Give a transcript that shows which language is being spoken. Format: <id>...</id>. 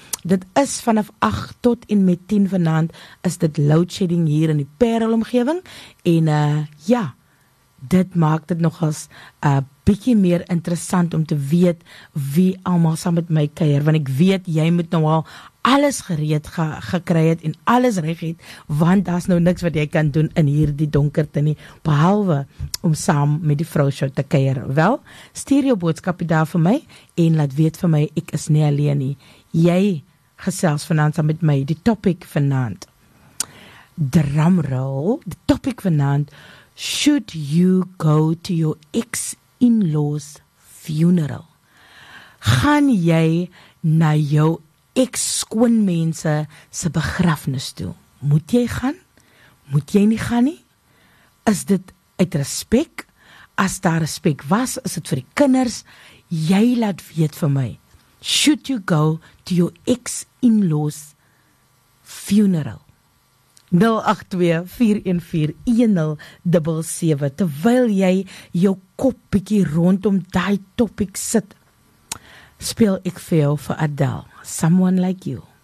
<af>Dit is vanaf 8 tot en met 10 vanaand is dit load shedding hier in die Parel omgewing en ja, dit maak dit nogals bietjie meer interessant om te weet wie almal saam met my kuier, want ek weet jy moet nou al alles gereed gekry het en alles reg het, want daar's nou niks wat jy kan doen in hierdie donkerte nie behalwe om saam met die vrou show te kuier. Wel, stuur jou boodskapie daar vir my en laat weet vir my ek is nie alleen nie. Jy gesels vanaand saam met my, die topic vanaand.</af> <en>Drumroll, die topic vanaand, should you go to your ex-in-law's funeral?</en> <af>Gaan jy na jou ex-skoonmense se begrafnis toe? Moet jy gaan? Moet jy nie gaan nie? Is dit uit respek? As daar respek was, is dit vir die kinders? Jy laat weet vir my.</af> <en>Should you go to your ex-in-law's funeral? 082-414-1077.</en> <af>Terwyl jy jou kop bietjie rondom die topic sit, speel ek vir jou vir Adele, Someone Like You.</af>